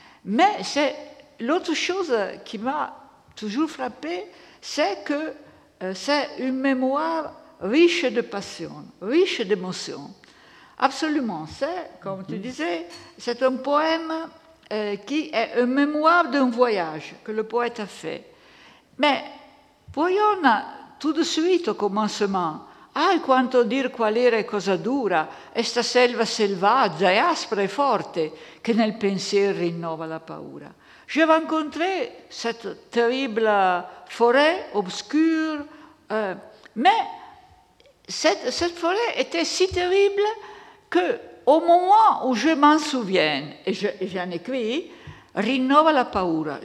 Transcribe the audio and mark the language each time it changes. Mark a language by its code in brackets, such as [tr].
[fr] Mais c'est l'autre chose qui m'a toujours frappé, c'est que c'est une mémoire riche de passion, riche d'émotions. Absolument, c'est, comme tu disais, c'est un poème qui est une mémoire d'un voyage que le poète a fait. Mais voyons tout de suite au commencement, [it] ah, quanto dire qual era e cosa dura, esta selva selvaggia e aspra e forte, che nel pensiero rinnova la paura. [fr] Je vais rencontrer cette terrible forêt obscure, mais cette forêt était si terrible qu'au moment où je m'en souviens, et j'en écris, [it] rinnova la paura.